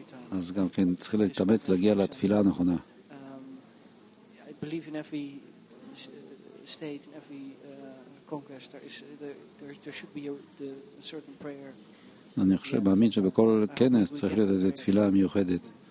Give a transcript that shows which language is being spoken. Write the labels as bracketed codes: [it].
[he] אז גם כן צריך להתאמץ להגיע לתפילה הנכונה. [en] I believe in every state, in every congress, there should be a certain prayer. [he] אני חושב, מאמין שבכל כנס צריך להיות איזו תפילה מיוחדת.